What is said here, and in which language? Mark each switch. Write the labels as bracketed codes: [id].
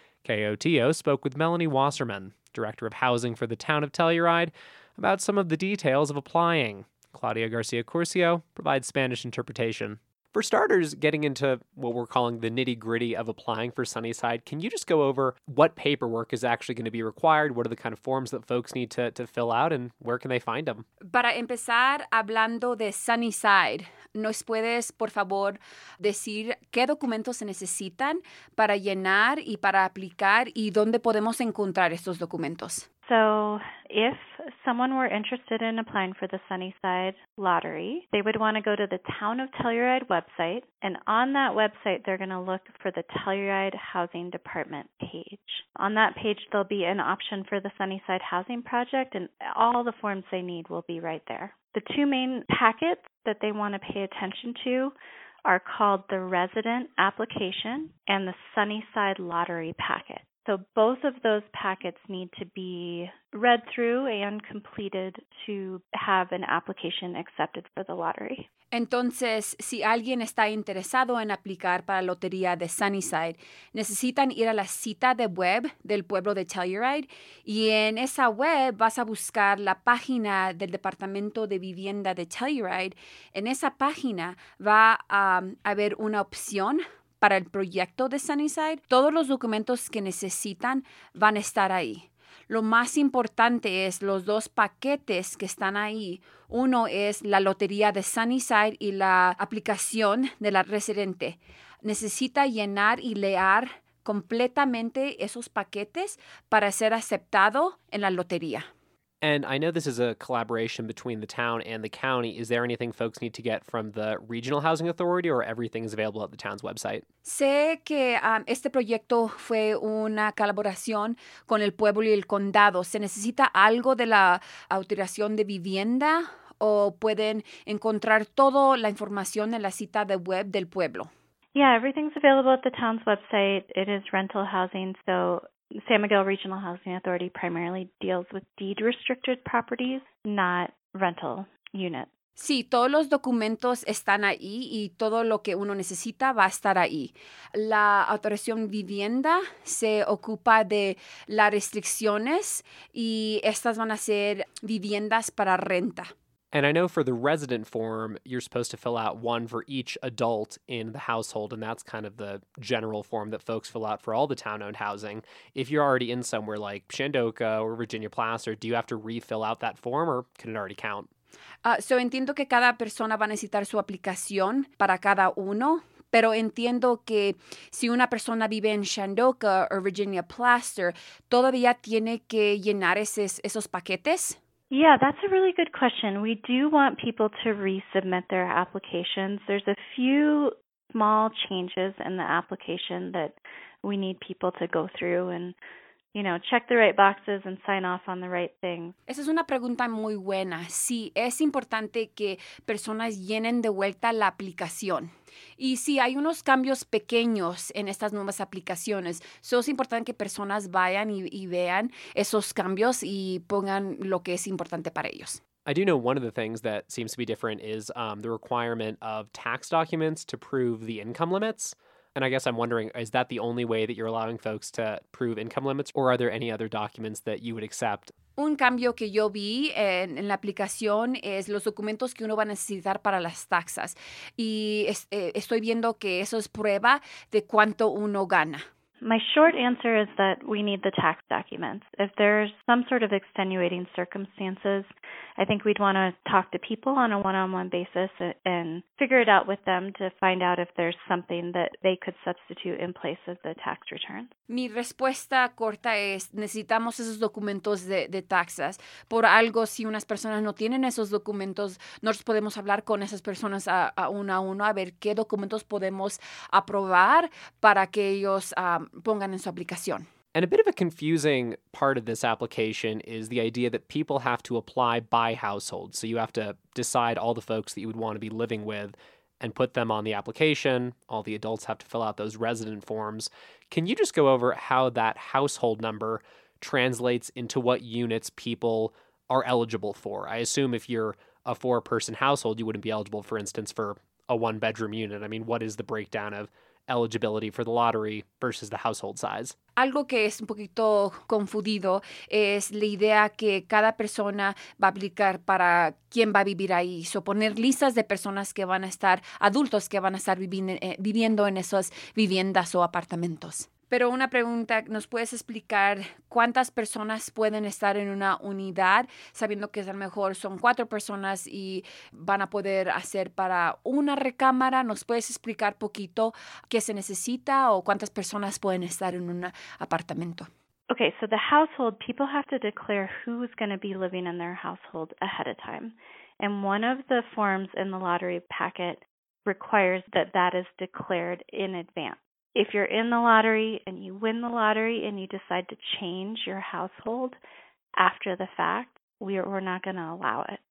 [en] KOTO spoke with Melanie Wasserman, Director of Housing for the Town of Telluride, about some of the details of applying. Claudia Garcia Curcio provides Spanish interpretation. For starters, getting into what we're calling the nitty-gritty of applying for Sunnyside, can you just go over what paperwork is actually going to be required? What are the kind of forms that folks need to fill out, and where can they find them? [es] Para empezar hablando de Sunnyside, ¿nos puedes, por favor, decir qué documentos se necesitan para llenar y para aplicar y dónde podemos encontrar estos documentos? [en] So if someone were interested in applying for the Sunnyside lottery, they would want to go to the Town of Telluride website. And on that website, they're going to look for the Telluride Housing Department page. On that page, there'll be an option for the Sunnyside Housing Project, and all the forms they need will be right there. The two main packets that they want to pay attention to are called the Resident Application and the Sunnyside Lottery Packet. So both of those packets need to be read through and completed to have an application accepted for the lottery. [es] Entonces, si alguien está interesado en aplicar para la lotería de Sunnyside, necesitan ir a la cita de web del pueblo de Telluride, y en esa web vas a buscar la página del Departamento de Vivienda de Telluride. En esa página va a haber una opción para el proyecto de Sunnyside. Todos los documentos que necesitan van a estar ahí. Lo más importante es los dos paquetes que están ahí. Uno es la lotería de Sunnyside y la aplicación de la residente. Necesita llenar y leer completamente esos paquetes para ser aceptado en la lotería. [en] And I know this is a collaboration between the town and the county. Is there anything folks need to get from the Regional Housing Authority, or everything is available at the town's website? [es] Sé que este proyecto fue una colaboración con el pueblo y el condado. ¿Se necesita algo de la autorización de vivienda, o pueden encontrar toda la información en la cita de web del pueblo? [en] Yeah, everything's available at the town's website. It is rental housing, so San Miguel Regional Housing Authority primarily deals with deed-restricted properties, not rental units. [es] Sí, todos los documentos están ahí y todo lo que uno necesita va a estar ahí. La autorización vivienda se ocupa de las restricciones y estas van a ser viviendas para renta. [en] And I know for the resident form, you're supposed to fill out one for each adult in the household, and that's kind of the general form that folks fill out for all the town-owned housing. If you're already in somewhere like Shandoka or Virginia Placer, do you have to refill out that form, or can it already count? [es] So entiendo que cada persona va a necesitar su aplicación para cada uno. Pero entiendo que si una persona vive en Shandoka o Virginia Placer, todavía tiene que llenar esos paquetes. [en] Yeah, that's a really good question. We do want people to resubmit their applications. There's a few small changes in the application that we need people to go through and, you know, check the right boxes and sign off on the right things. [es] Esa es una pregunta muy buena. Sí, es importante que personas llenen de vuelta la aplicación. Y sí, hay unos cambios pequeños en estas nuevas aplicaciones. So es importante que personas vayan y vean esos cambios y pongan lo que es importante para ellos. [en] I do know one of the things that seems to be different is the requirement of tax documents to prove the income limits. And I guess I'm wondering, is that the only way that you're allowing folks to prove income limits, or are there any other documents that you would accept? [es] Un cambio que yo vi en la aplicación es los documentos que uno va a necesitar para las taxas. Y estoy viendo que eso es prueba de cuánto uno gana. [en] My short answer is that we need the tax documents. If there's some sort of extenuating circumstances, I think we'd want to talk to people on a one-on-one basis and figure it out with them to find out if there's something that they could substitute in place of the tax returns. [es] Mi respuesta corta es, necesitamos esos documentos de taxas. Por algo, si unas personas no tienen esos documentos, nosotros podemos hablar con esas personas a uno a uno a ver qué documentos podemos aprobar para que ellos pongan en su aplicación. [en] And a bit of a confusing part of this application is the idea that people have to apply by household. So you have to decide all the folks that you would want to be living with and put them on the application. All the adults have to fill out those resident forms. Can you just go over how that household number translates into what units people are eligible for? I assume if you're a four-person household, you wouldn't be eligible, for instance, for a one-bedroom unit. I mean, what is the breakdown of eligibility for the lottery versus the household size? [es] Algo que es un poquito confundido es la idea que cada persona va a aplicar para quién va a vivir ahí. So poner listas de personas que van a estar, adultos que van a estar viviendo en esas viviendas o apartamentos. Pero una pregunta, ¿nos puedes explicar cuántas personas pueden estar en una unidad, sabiendo que a lo mejor son cuatro personas y van a poder hacer para una recámara? ¿Nos puedes explicar poquito qué se necesita o cuántas personas pueden estar en un apartamento? [en] Okay, so the household, people have to declare who is going to be living in their household ahead of time. And one of the forms in the lottery packet requires that that is declared in advance. If you're in the lottery and you win the lottery and you decide to change your household after the fact, we're not going to allow it.